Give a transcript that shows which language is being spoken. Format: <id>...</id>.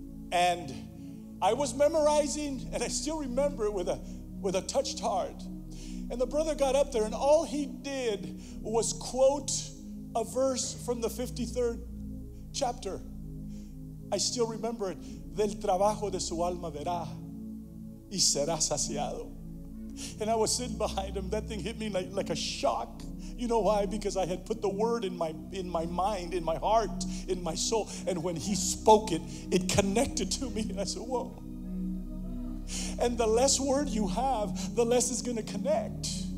<en>And I was memorizing, and I still remember it with a touched heart. And the brother got up there, and all he did was quote a verse from the 53rd chapter. I still remember it.</en> <es>Del trabajo de su alma verá y será saciado.</es> <en>And I was sitting behind him. That thing hit me like a shock. You know why? Because I had put the word in my mind, in my heart, in my soul. And when he spoke it, it connected to me. And I said, whoa. And the less word you have, the less it's going to connect.</en>